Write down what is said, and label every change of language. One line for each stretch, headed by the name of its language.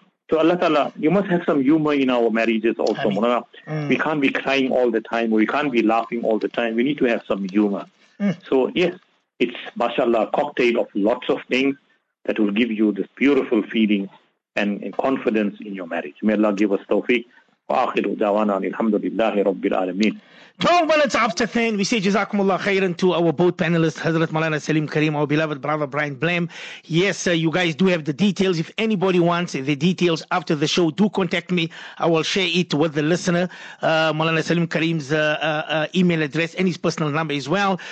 English: So Allah Ta'ala, you must have some humor in our marriages also. We can't be crying all the time. We can't be laughing all the time. We need to have some humor. So yes, it's mashallah, cocktail of lots of things that will give you this beautiful feeling and confidence in your marriage. May Allah give us tawfiq.
Arabic: وآخر دعوانا أن الحمد لله رب العالمين.
English: 12 minutes after 10, we say Jazakumullah khairan to our both panelists, Hazrat Malana Salim Karim, our beloved brother Brian Blam. Yes, sir, you guys do have the details. If anybody wants the details after the show, do contact me. I will share it with the listener, Malana Salim Karim's email address and his personal number as well.